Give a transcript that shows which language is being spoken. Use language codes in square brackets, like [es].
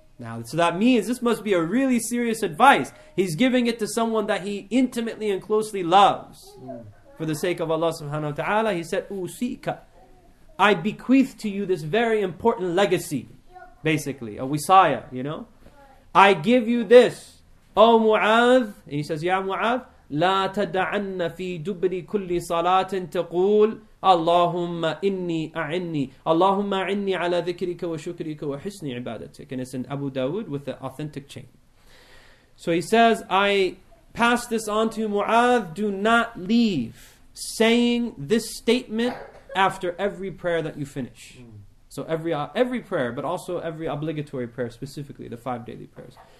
[en] Now, so that means this must be a really serious advice. He's giving it to someone that he intimately and closely loves. For the sake of Allah subhanahu wa ta'ala, he said, Usika, I bequeath to you this very important legacy, basically, a wisaya, you know. I give you this, O Mu'adh, and he says, [ar] Ya Mu'adh, لا تدعن في دبر كل صلاة تقول اللهم إني أعني اللهم أعني على ذكرك وشكرك وحسن عبادتك. [en] And it's in Abu Dawood with the authentic chain. So he says, I pass this on to Mu'adh, do not leave saying this statement after every prayer that you finish. So every prayer, but also every obligatory prayer, specifically the five daily prayers.